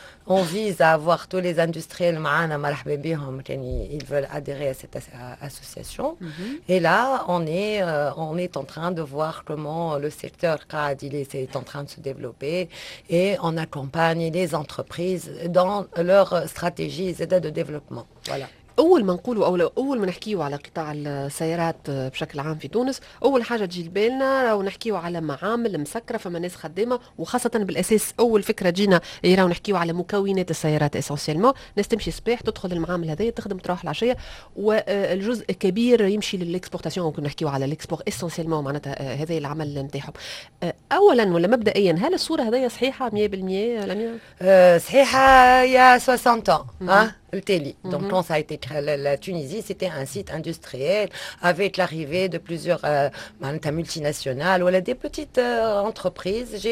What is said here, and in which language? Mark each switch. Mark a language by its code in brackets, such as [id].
[fr] On vise à avoir tous les industriels, ils veulent adhérer à cette association. Mm-hmm. Et là, on est en train de voir comment le secteur CAD est en train de se développer. Et on accompagne les entreprises dans leur stratégie de développement. Voilà. [ar] أول ما نقوله أو أول ما نحكيه على قطاع السيارات بشكل عام في تونس أول حاجة تجي لبالنا راو نحكيه على معامل مسكرة فما ناس خدمة وخاصة بالأساس أول فكرة جينا راو نحكيه على مكونات السيارات أساسيالما ناس تمشي صباح تدخل المعامل هذية تخدم تروح العشية والجزء كبير يمشي للإكسبورتاسيون ممكن نحكيه على الإكسبور أساسيالما ومعناتها هذية العمل اللي نتاحهم أولا ولا مبدئيا هل الصورة هذية صحيحة 100% لامية؟ صحيحة يا 60 ها [fr] Le Téli. Mm-hmm. Donc, quand ça a été créé, la Tunisie, c'était un site industriel avec l'arrivée de plusieurs multinationales ou voilà, des petites entreprises.